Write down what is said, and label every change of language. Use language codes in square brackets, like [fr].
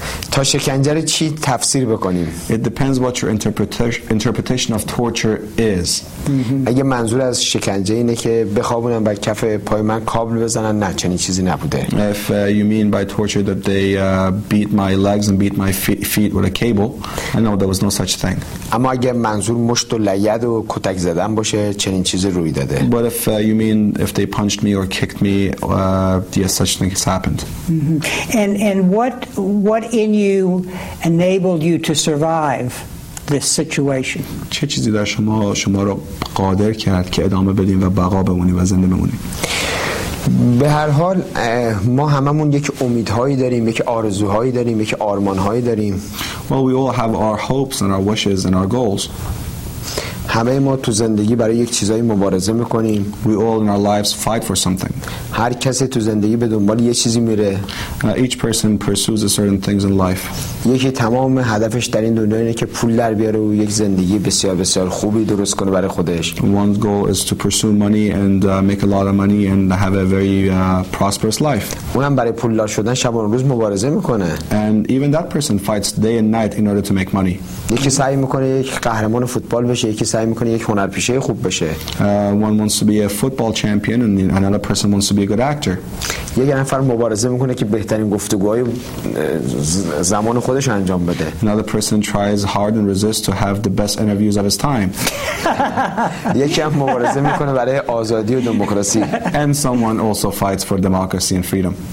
[fa] تا شکنجه رو چی تفسیر بکنیم؟ [en] It depends what your interpretation of torture is. [fa] اگه منظور از شکنجه اینه که بخوابونن بر کف پای من کابل بزنن, نه چنین چیزی نبوده. [en] If you mean by torture that they beat my legs and beat my feet with a cable, I know there was no such thing. [fa] اما اگه منظور مشت و لگد و کتک زدن باشه, چنین چیزی روی داده. [en] But if you mean if they punched me or kicked me, yes, such thing has happened. And what in you enabled you to survive this situation? [fa] چه چیزی در شما رو قادر کرد که ادامه بدین و بقا بمونین و زنده بمونین؟ به هر حال ما هممون یک امیدهایی داریم, یک آرزوهایی داریم, یک آرمانهایی داریم. [en] Well, we all have our hopes and our wishes and our goals. [fa] همه ما تو زندگی برای یک چیزایی مبارزه میکنیم. [en] We all in our lives fight for something. [fa] هر کسی تو زندگی به دنبال یه چیزی میره. [en] Each person pursues a certain things in life. [fa] یکی تمام هدفش در این دنیا اینه که پول در بیاره و یک زندگی بسیار بسیار خوبی درست کنه برای خودش. [en] One's goal is to pursue money and make a lot of money and have a very prosperous life. [fa] اونم برای پولدار شدن شب و روز مبارزه میکنه. [en] And even that person fights day and night in order to make money. [fa] یکی سعی میکنه یک قهرمان فوتبال بشه, یکی سعی میکنه یک هنرپیشه خوب بشه. [en] One wants to be a football champion and another person wants to be a good actor. [fa] یک نفر مبارزه میکنه که بهترین گفتگوهای زمان خودش انجام بده. [en] Another person tries hard and resists to have the best interviews of his time. [fa] یکی هم مبارزه میکنه برای آزادی و دموکراسی. [en] And someone also fights for democracy and freedom.